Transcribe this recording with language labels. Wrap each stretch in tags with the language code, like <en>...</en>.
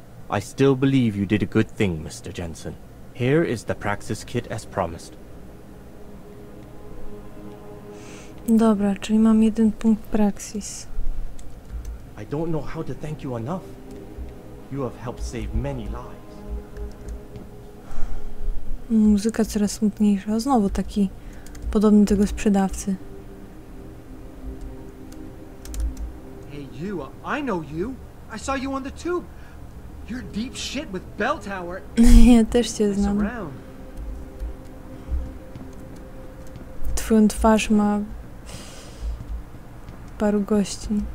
<en>I still believe you did a good thing, Mr. Jensen. Here is the Praxis kit as promised.</en> <pl>Dobra, czyli mam jeden punkt Praxis.</pl> <en>I don't know how to thank you enough. You have helped save many lives.</en> <pl>Muzyka coraz smutniejsza. Znowu taki podobny do tego sprzedawcy.</pl> <en>Hey you, I know you. I saw you on the tube. You're deep shit with Bell Tower.</en> <pl>Ja też cię znam. Twoją twarz ma paru gości.</pl>